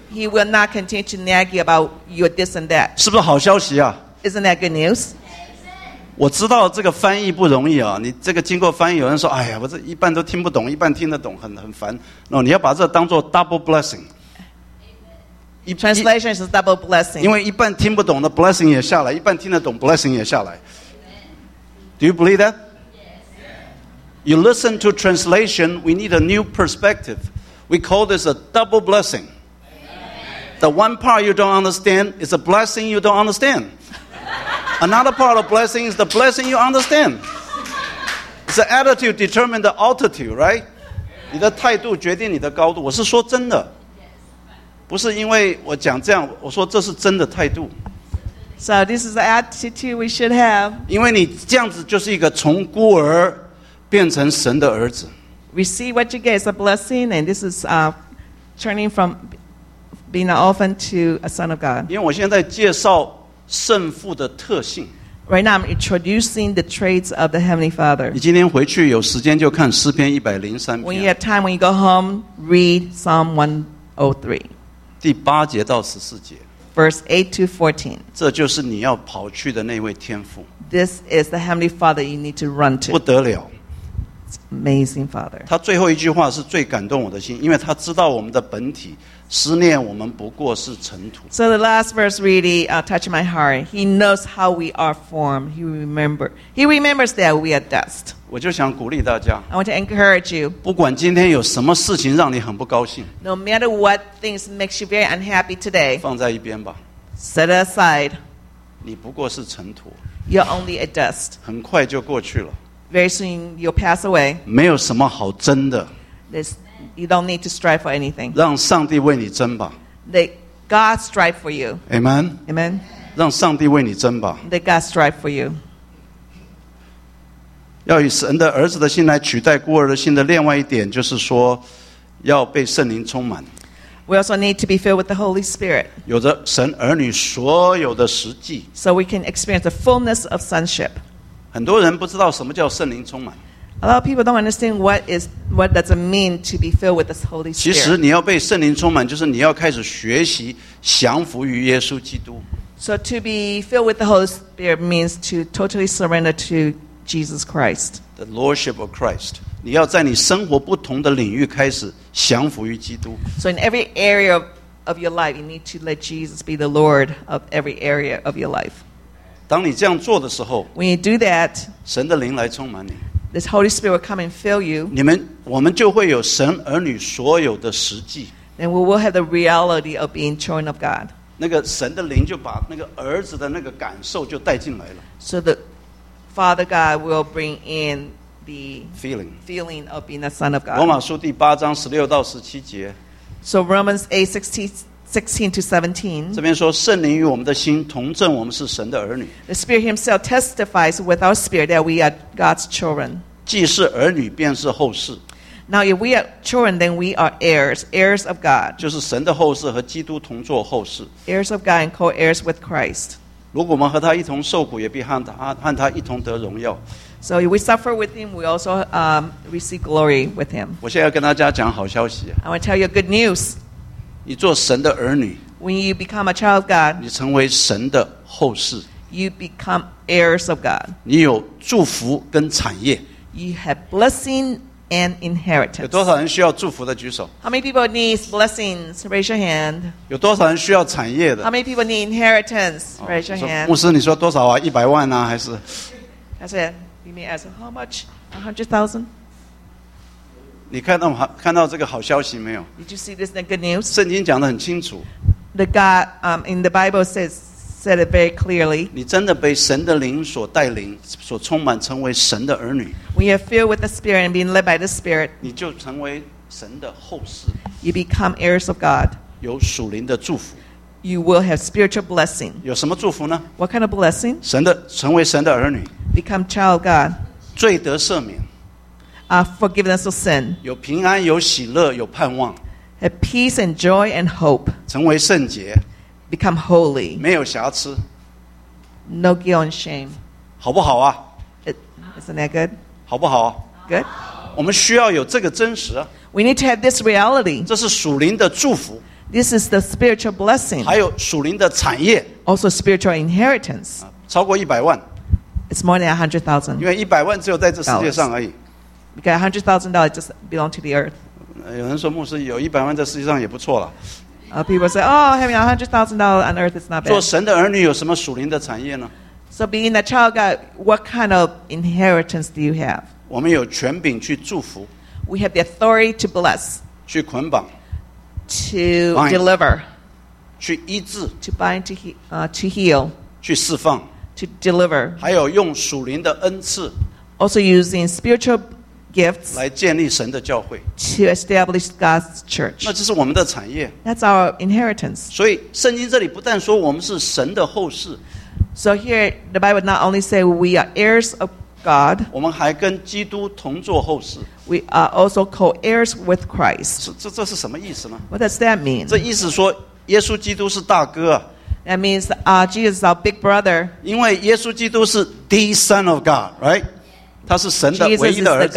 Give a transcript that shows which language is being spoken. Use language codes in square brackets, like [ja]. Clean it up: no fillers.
[en] He will not continue to nag you about your this and that. [zh] 是不是好消息啊？ [en] Isn't that good news? [zh] 我知道这个翻译不容易啊，你这个经过翻译，有人说，哎呀，我这一半都听不懂，一半听得懂，很烦。 [en] No, [zh] 你要把这当做 double blessing。 [en] Translation is a double blessing. [zh] 因为一半听不懂的 blessing 也下来，一半听得懂 blessing 也下来。 [en] Do you believe that? Yes. You listen to translation. We need a new perspective. We call this a double blessing. The one part you don't understand is a blessing you don't understand. Another part of blessing is the blessing you understand. It's the attitude determine the altitude, right? [zh] 你的态度决定你的高度。我是说真的。不是因为我讲这样，我说这是真的态度。 [en] So this is the attitude we should have. [zh] 因为你这样子就是一个从孤儿变成神的儿子。 [en] We see what you get is a blessing, and this is turning from being an orphan to a son of God. [zh] 因为我现在介绍圣父的特性。 [en] Right now, I'm introducing the traits of the Heavenly Father. [zh] 你今天回去有时间就看诗篇103篇。 [en] When you have time, when you go home, read Psalm 103. 8:03. [zh] 第八节到十四节。 [en] Verse 8-14. [zh] 这就是你要跑去的那位天父。 [en] This is the Heavenly Father you need to run to. [zh] 不得了。 [en] It's amazing, Father. [zh] 他最后一句话是最感动我的心，因为他知道我们的本体。思念我们不过是尘土。 [en] So the last verse really touched my heart. He knows how we are formed. He remembers that we are dust. [zh] 我就想鼓励大家。 [en] I want to encourage you. [zh] 不管今天有什么事情让你很不高兴。 [en] No matter what things makes you very unhappy today. [zh] 放在一边吧。 [en] Set it aside. [zh] 你不过是尘土。 [en] You're only a dust. [zh] 很快就过去了。 [en] Very soon you'll pass away. [zh] 没有什么好争的。 [en] You don't need to strive for anything. [zh] 让上帝为你争吧。 [en] Let God strive for you. Amen. Amen. [zh] 让上帝为你争吧。 [en] Let God strive for you. [zh] 要以神的儿子的心来取代孤儿的心的另外一点就是说，要被圣灵充满。 [en] We also need to be filled with the Holy Spirit. [zh] 有着神儿女所有的实际。 [en] So we can experience the fullness of sonship. [zh] 很多人不知道什么叫圣灵充满。 [en] A lot of people don't understand what does it mean to be filled with this Holy Spirit. [zh] 其实你要被圣灵充满，就是你要开始学习降服于耶稣基督。 [en] So to be filled with the Holy Spirit means to totally surrender to Jesus Christ. The Lordship of Christ. [zh] 你要在你生活不同的领域开始降服于基督。 [en] So in every area of your life, you need to let Jesus be the Lord of every area of your life. [zh] 当你这样做的时候 [en] ，When you do that, [zh] 神的灵来充满你。 [en] This Holy Spirit will come and fill you. [zh] 你们，我们就会有神儿女所有的实际。 [en] Then we will have the reality of being children of God. [zh] 那个神的灵就把那个儿子的那个感受就带进来了。 [en] So the Father God will bring in the feeling of being a son of God. [zh] 罗马书第八章十六到十七节。 [en] So Romans 8:16-17. [zh] 这边说圣灵与我们的心同证，我们是神的儿女。 [en] The Spirit Himself testifies with our spirit that we are God's children. [zh] 既是儿女，便是后嗣。 [en] Now if we are children, then we are heirs of God. [zh] 就是神的后嗣和基督同作后嗣。 [en] Heirs of God and co-heirs with Christ. [zh] 如果我们和他一同受苦，也必和他一同得荣耀。 [en] So if we suffer with him, we also receive glory with him. [zh] 我现在要跟大家讲好消息。 [en] I want to tell you good news. [zh] 你做神的儿女 [en] When you become a child of God [zh] 你成为神的后嗣 [en] You become heirs of God [zh] 你有祝福跟产业 [en] You have blessing and inheritance [zh] 有多少人需要祝福的举手 [en] How many people need blessings? Raise your hand [zh] 有多少人需要产业的 [en] How many people need inheritance? Raise your hand [zh] 牧师你说多少啊100万啊还是 [en] That's it You may ask how much? 100,000? [zh] 你看到这个好消息没有 [en] ？Did you see this good news? [zh] 圣经讲得很清楚。 [en] The God, in the Bible said it very clearly. [zh] 你真的被神的灵所带领、所充满，成为神的儿女。 [en] When you're filled with the Spirit and being led by the Spirit, [zh] 你就成为神的后嗣。 [en] You become heirs of God. [zh] 有属灵的祝福。 [en] You will have spiritual blessing. [zh] 有什么祝福呢 [en] ？What kind of blessing? [zh] 神的成为神的儿女。 [en] Become child of God. [zh] 罪得赦免。 [en] Forgiveness of sin. [zh] 有平安，有喜乐，有盼望。 [en] Have peace and joy and hope. [zh] 成为圣洁。 [en] Become holy. [zh] 没有瑕疵。 [en] No guilt and shame. [zh] 好不好啊 [en] Isn't that good? [zh] 好不好啊 [en] Good. [zh] 我们需要有这个真实。 [en] We need to have this reality. [zh] 这是属灵的祝福。 [en] This is the spiritual blessing. [zh] 还有属灵的产业。 [en] Also spiritual inheritance. [zh] 超过一百万。 [en] It's more than 100,000. [zh] 因为一百万只有在这世界上而已。 [en] Because $100,000 just belong to the earth. [zh] 有人说牧师有一百万在世界上也不错了。 [en] People say, "Oh, having $100,000 on earth is not bad." [zh] 做神的儿女有什么属灵的产业呢 [en] ？So being a child of God, what kind of inheritance do you have? [zh] 我们有权柄去祝福。 [en] We have the authority to bless. [zh] 去捆绑。 [en] To deliver. [zh] 去医治。 [en] To bind, to heal. [zh] 去释放。 [en] To deliver. [zh] 还有用属灵的恩赐。 [en] Also using spiritual. Gifts [zh] 来建立神的教会 [en] to establish God's church. [zh] 那这是我们的产业 [en] That's our inheritance. [zh] 所以圣经这里不但说我们是神的后嗣 [en] So here the Bible not only say we are heirs of God. [zh] 我们还跟基督同作后嗣 [en] We are also co-heirs with Christ. [zh] 这是什么意思呢 [en] What does that mean? [zh] 这意思说耶稣基督是大哥 [en] That means Jesus is our big brother. [zh] 因为耶稣基督是 [en] the Son of God, right? [zh] 他是神的唯一的儿子